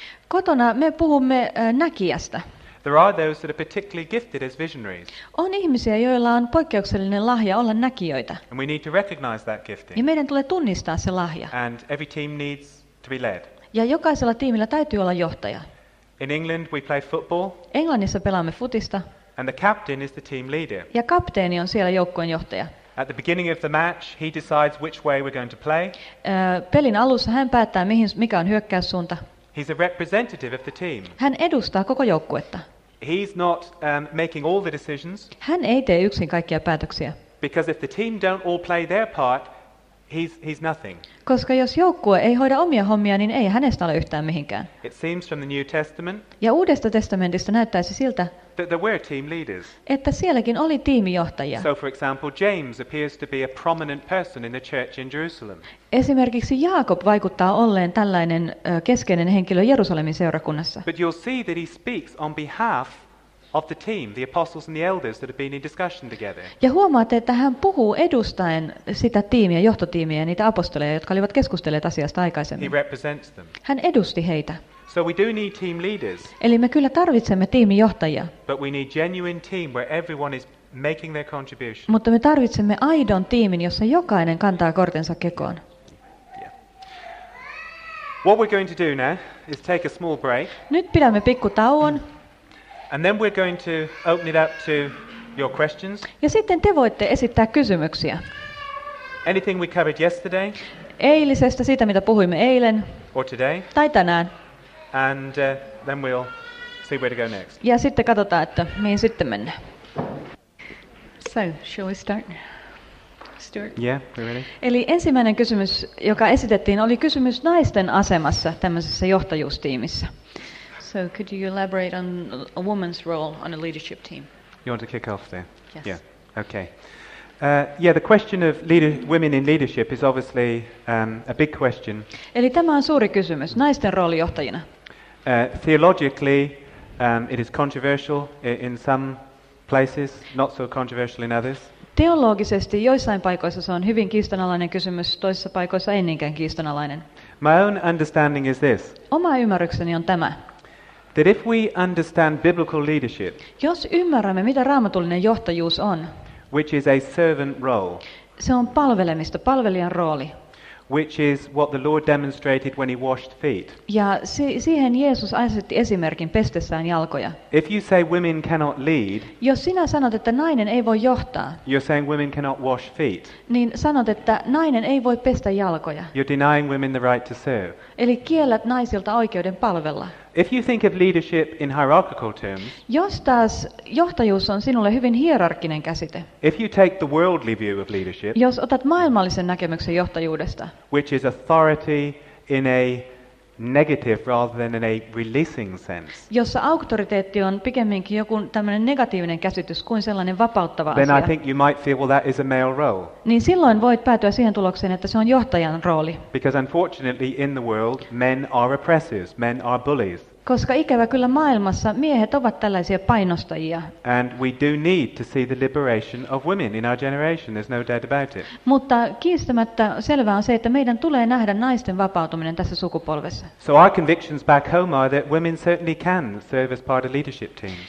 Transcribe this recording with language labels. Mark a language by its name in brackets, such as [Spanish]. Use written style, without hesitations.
[Finnish] Kotona me puhumme näkijästä. [English] There are those that are particularly gifted as visionaries. [Finnish] On ihmisiä, joilla on poikkeuksellinen lahja olla näkijöitä. [English] And we need to recognize that gifting. [Finnish] Ja meidän tulee tunnistaa se lahja. [English] And every team needs to be led. [Finnish] Ja jokaisella tiimillä täytyy olla johtaja. [English] In England we play football. [Finnish] Englannissa pelaamme futista. [English] And the captain is the team leader. [Finnish] Ja kapteeni on siellä joukkueen johtaja. [English] At the beginning of the match, he decides which way we're going to play. [Finnish] Pelin alussa hän päättää, mikä on hyökkäyssuunta. [English] He's a representative of the team. [Finnish] Hän edustaa koko joukkuetta. [English] He's not making all the decisions. [Finnish] Hän ei tee yksin kaikkia päätöksiä. [English] Because if the team don't all play their part, he's nothing. [Finnish] Koska jos joukkue ei hoida omia hommia, niin ei hänestä ole yhtään mihinkään. [English] It seems from the New Testament. [Finnish] Ja Uudesta testamentista näyttäisi siltä, [English] that there were team leaders. [Finnish] Että sielläkin oli tiimijohtajia. [English] So for example, James appears to be a prominent person in the church in Jerusalem. [Finnish] Esimerkiksi Jaakob vaikuttaa olleen tällainen keskeinen henkilö Jerusalemin seurakunnassa. [English] But you'll see that he speaks on behalf of the team, the apostles and the elders that have been in discussion together. [Finnish] Ja huomaatte, että hän puhuu edustaen sitä tiimiä, johtotiimiä, niitä apostoleja, jotka olivat keskustelleet asiasta aikaisemmin. [English] He represents them. [Finnish] Hän edusti heitä. [English] So we do need team leaders. [Finnish] Eli me kyllä tarvitsemme tiimijohtajia. [English] But we need genuine team where everyone is making their contribution. [Finnish] Mutta me tarvitsemme aidon tiimin, jossa jokainen kantaa kortensa kekoon. [English] Yeah. What we're going to do now is take a small break. [Finnish] Nyt pidämme pikku tauon. [English] And then we're going to open it up to your questions. [Finnish] Ja sitten te voitte esittää kysymyksiä. [English] Anything we covered yesterday? [Finnish] Eilisestä, siitä mitä puhuimme eilen. [English] Or today? [Finnish] Tai tänään. [English] And then we'll see where to go next. [Finnish] Ja sitten katsotaan, että mihin sitten mennään. [English] So, shall we start? Stuart? Yeah, we're ready. [Finnish] Eli ensimmäinen kysymys, joka esitettiin, oli kysymys naisten asemassa tämmöisessä johtajuustiimissä. [English] So, could you elaborate on a woman's role on a leadership team? You want to kick off there? Yes. Yeah, okay. The question of women in leadership is obviously a big question. [Finnish] Eli tämä on suuri kysymys, naisten rooli johtajina. [English] Theologically, it is controversial in some places, not so controversial in others. [Finnish] Teologisesti joissain paikoissa se on hyvin kiistanalainen kysymys, toisissa paikoissa ei niinkään kiistanalainen. [English] My own understanding is this. [Finnish] Oma ymmärrykseni on tämä. [English] That if we understand biblical leadership. [Finnish] Jos ymmärrämme, mitä raamatullinen johtajuus on. [English] Which is a servant role. [Finnish] Se on palvelemista, palvelijan rooli. [English] Which is what the Lord demonstrated when he washed feet. [Finnish] Ja siihen Jeesus asetti esimerkin pestessään jalkoja. [English] If you say women cannot lead, [Finnish] jos sinä sanot, että nainen ei voi johtaa, [English] you're saying women cannot wash feet. [Finnish] Niin sanot, että nainen ei voi pestä jalkoja. [English] You're denying women the right to serve. [Finnish] Eli kiellät naisilta oikeuden palvella. [English] If you think of leadership in hierarchical terms, [Finnish] jos taas johtajuus on sinulle hyvin hierarkkinen käsite. [English] If you take the worldly view of leadership, [Finnish] jos otat maailmallisen näkemyksen johtajuudesta. [English] Which is authority in a negative rather than in a releasing sense. [Finnish] Jossa auktoriteetti on pikemminkin joku tämmöinen negatiivinen käsitys kuin sellainen vapauttava [English] then [Finnish] asia. [English] Then I think you might feel, well, that is a male role. [Finnish] Niin silloin voit päätyä siihen tulokseen, että se on johtajan rooli. [English] Because unfortunately in the world men are oppressors, men are bullies. [Finnish] Koska ikävä kyllä maailmassa miehet ovat tällaisia painostajia. [English] And we do need to see the liberation of women in our generation, there's no doubt about it. [Finnish] Mutta kiistämättä selvää on se, että meidän tulee nähdä naisten vapautuminen tässä sukupolvessa. [English] So our convictions back home are that women certainly can serve as part of leadership teams.